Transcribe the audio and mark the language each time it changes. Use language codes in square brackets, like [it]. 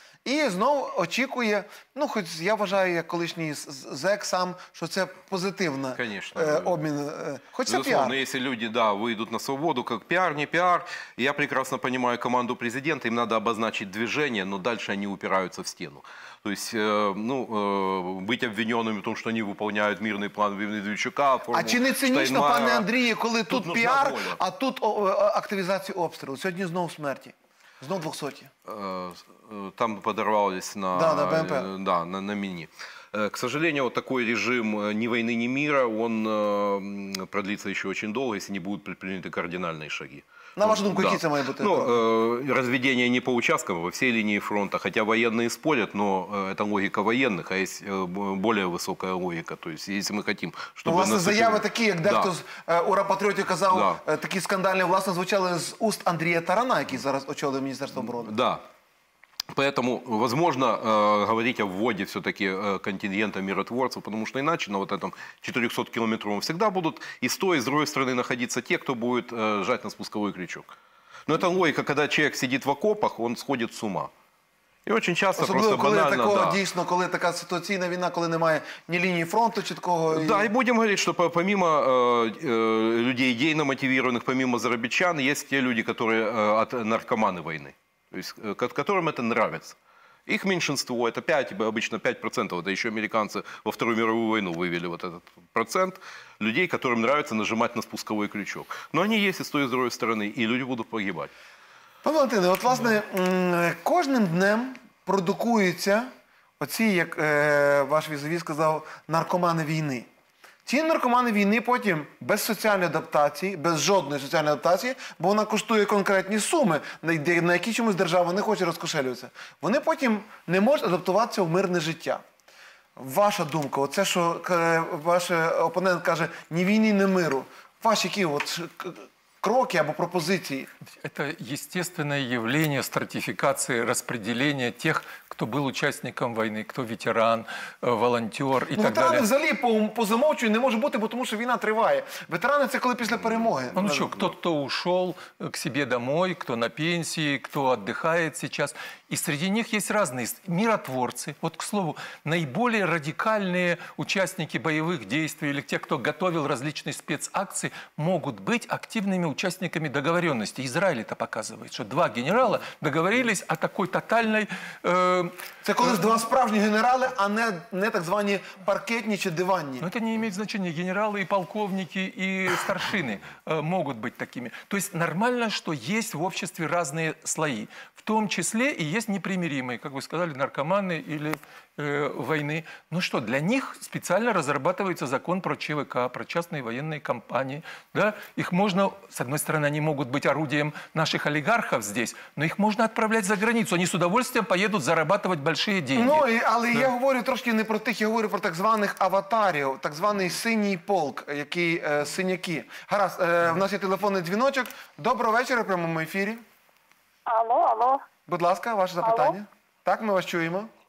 [uk] І знову очікує, ну, хоч я вважаю, як колишній зек сам, що це позитивна обмін. Хоч це піар. Якщо люди, да, вийдуть на свободу, як піар, не піар, я прекрасно розумію команду президента, їм треба обозначити движення, але далі вони упираються в стіну. [ru] То есть, ну, быть обвиненными в том, что они выполняют мирный план Медведчука. [uk] А чи не цинично, пане Андрію, коли тут піар, а тут активізація обстрілу? Сьогодні знову смерті. Знову 200. Там подорвались на, да, на БМП. Да, на міні. [ru] К сожалению, вот такой режим ни войны, ни мира, он продлится еще очень долго, если не будут предприняты кардинальные шаги. [uk] На вашу думку, [ru] какие это будут? Ну, разведение не по участкам, а во всей линии фронта. Хотя военные спорят, но это логика военных, а есть более высокая логика. То есть, если мы хотим, чтобы... Ну, власне, заявы такие, как кто-то из Ура-Патриотов сказал, такие скандальные, власне, звучали из уст Андрея Тарана, который сейчас очолил Министерство обороны. Да. Поэтому, возможно, говорить о вводе все-таки контингента миротворцев, потому что иначе на вот этом 400-километровом всегда будут и с той, и с другой стороны находиться те, кто будет жать на спусковой крючок. Но это логика, когда человек сидит в окопах, он сходит с ума. [uk] І дуже часто особливо, просто коли банально, такого, дійсно, коли така ситуаційна війна, коли немає ні лінії фронту, чіткого. І... Да, і будемо говорити, що помимо людей ідейно мотивованих, помимо заробітчан, є ті люди, які наркомани війни, [ru] которым это нравится. Их меньшинство, это 5, обычно 5%, это еще американцы во Вторую мировую войну вывели вот этот процент людей, которым нравится нажимать на спусковой крючок. Но они есть и с той, и с другой стороны, и люди будут погибать. Павел Антонович, вот, власне, каждым днем продукуются оці, как ваш визави сказал, наркоманы войны. [uk] Ці наркомани війни потім без соціальної адаптації, без жодної соціальної адаптації, бо вона коштує конкретні суми, на які чомусь держава не хоче розкошелюватися. Вони потім не можуть адаптуватися в мирне життя. Ваша думка, оце, що ваш опонент каже, ні війни, ні миру. [ru] ваш какие вот кроки або пропозиции? Это естественное явление стратификации распределения тех, кто был участником войны, кто ветеран, волонтер и так далее. [uk] Ветераны взагалі по замовчанню не може бути, [ru] потому что война [uk] триває. [ru] Ветераны – это когда после перемоги. Ну что, кто-то ушел к себе домой, кто на пенсии, кто отдыхает сейчас. И среди них есть разные миротворцы. Вот, к слову, наиболее радикальные участники боевых действий или те, кто готовил различные спецакции, могут быть активными участниками договоренности. Израиль это показывает, что два генерала договорились о такой тотальной... Это когда два справжні генерали, а не так звані паркетні чи диванні. Но это не имеет значения. Генералы и полковники, и старшины могут быть такими. То есть нормально, что есть в обществе разные слои. В том числе и есть непримиримые, как вы сказали, наркоманы или войны. Ну что, для них специально разрабатывается закон про ЧВК, про частные военные компании. Да? Их можно, с одной стороны, они могут быть орудием наших олигархов здесь, но их можно отправлять за границу. Они с удовольствием поедут зарабатывать большие деньги. [uk] Ну, але да. Я говорю трошки не про тих, я говорю про так званих аватарів, так званий синій полк, який синяки. Гаразд, в нас є телефонний дзвіночок. Доброго вечора, в прямому ефірі. Алло, алло. Будь ласка, ваше запитання. Алло. Так, ми вас чуємо.